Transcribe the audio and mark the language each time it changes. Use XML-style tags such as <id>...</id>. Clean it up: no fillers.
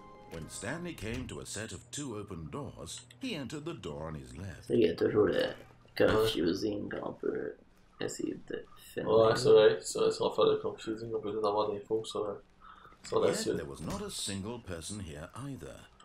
<en>When Stanley came to a set of two open doors, he entered the door on his left.</en> <fr>Il y a toujours le confusing qu'on peut essayer de finir. Ouais, c'est vrai, si on fait le confusing, on peut peut-être avoir des infos sur la suite.</fr> <en>Yet, there was not a single person here either.</en>